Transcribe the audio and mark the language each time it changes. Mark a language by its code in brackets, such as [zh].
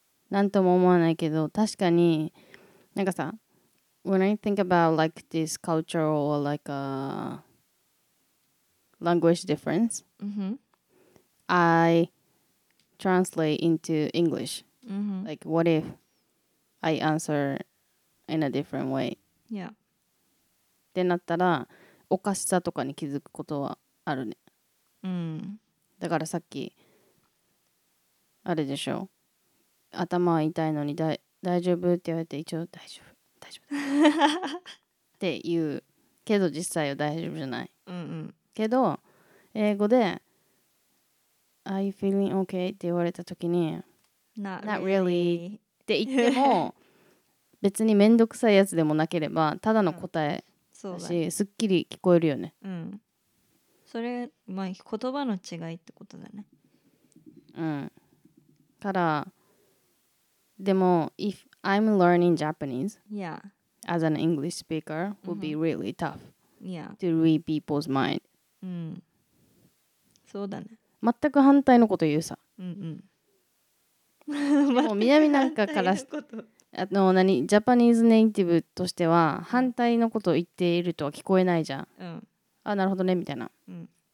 [ja] なんとも思わないけど、確かに、なんかさ、 [en] when I think about like this cultural or like a language difference, mm-hmm. I translate into English. Mm-hmm. Like, what if I answer in a different way? Yeah. [ja] ってなったらおかしさとかに気づくことはあるね。うん。だからさっきあれでしょ。頭は痛いのに大丈夫って言われて一応大丈夫大丈夫って言うけど実際は大丈夫じゃない。うんうん。けど英語で [en] Are you feeling okay [ja] って言われた時に [en] Not really [ja] って言っても別にめんどくさいやつでもなければただの答え。そうだし、すっきり聞こえるよね。うん。それ、まあ、言葉の違いってことだね。うん。ただ、でも、 [en] if I'm learning Japanese, yeah, as an English speaker, would be really tough, yeah, to read people's mind. [ja] うん。そうだね。全く反対のこと言うさ。うんうん。もう南なんかから。あの何ジャパニーズネイティブとしては反対のことを言っているとは聞こえないじゃん、うん、あなるほどねみたいな、うん、